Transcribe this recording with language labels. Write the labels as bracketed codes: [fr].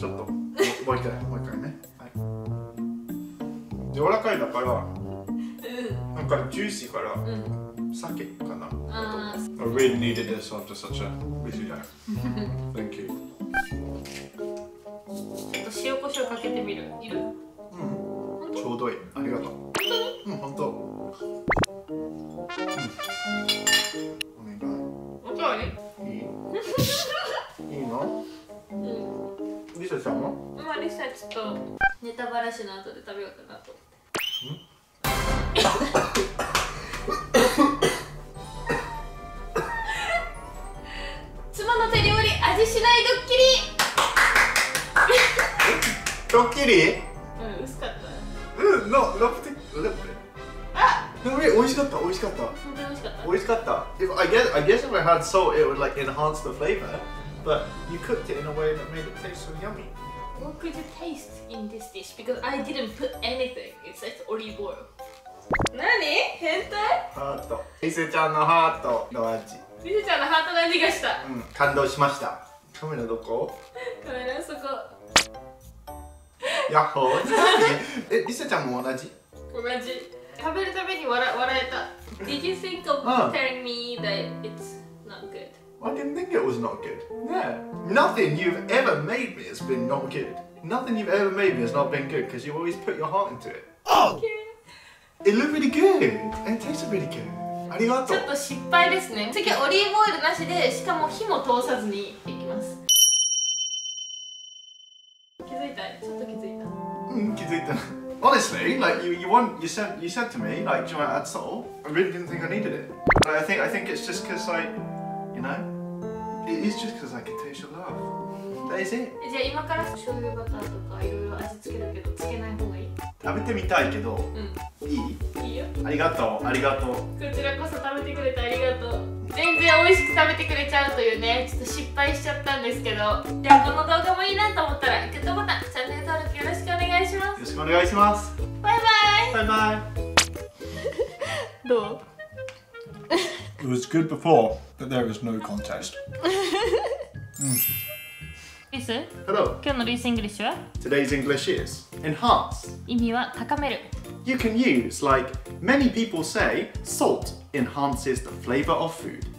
[ja] ちょっともう一回、もう一回ね、はい、柔らかいだから、うん、なんかジューシーから、うん、酒かな。あ、 [en] I really needed this after such a busy day. Thank you. [ja] ちょっと塩コショウかけてみる？いる？うん、ちょうどいい、ありがとう。本当？うん、本当。お願い。おかわり？いい？いいの？リサちゃんも？まあリサちょっとネタバラシの後で食べようかなと思って。うん？妻の手料理味しないドッキリ。ドッキリ？うん、薄かった。うん、ラップテ、ラップテ。あ！でも美味しかった、美味しかった。本当に美味しかった。美味しかった。 [en] If I guess if I had salt, it would like enhance the flavor. But you cooked it in a way that made it taste so yummy. What could you taste in this dish? Because I didn't put anything. It's just olive oil. [ja] Nani? Hentai? Heart. Lisa-chan の heart の味。 Lisa-chan の heart の味がした。うん、感動しました。カメラどこ？カメラそこ。やっほー。え、Lisa-chan も同じ？同じ。食べるたびに笑えた。 [en] Did you think of telling me that it's not good? I didn't think it was not good. Yeah. Nothing you've ever made me has been not good. Nothing you've ever made me has not been good because you always put your heart into it. Oh! It looked really good. And it tasted really good. [ja] ありがとう。ちょっと失敗ですね。次はオリーブオイルなしで、しかも火も通さずにいきます。気づいた？ちょっと気づいた？うん、気づいた。 [en] Honestly, like you said to me, like, do you want to add salt? I really didn't think I needed it. But I think it's just because, like,You know? It's just because I can taste your love. That is it. [ja] じゃあ今から醤油バターとかいろいろ味つけるけど、つけない方がいい？食べてみたいけど、うん、いい？いいよ。ありがとう、ありがとう。こちらこそ食べてくれてありがとう。全然美味しく食べてくれちゃうというね、ちょっと失敗しちゃったんですけど、でもこの動画もいいなと思ったら、グッドボタン、チャンネル登録よろしくお願いします。よろしくお願いします。バイバイ。バイバイ。どう？ [en] It was good before, but there was no contest. Liz? Hello. [ja] 今日のリース English は? [en] Today's English is enhance. [ja] 意味は高める。 [en] You can use, like, many people say, salt enhances the flavor of food.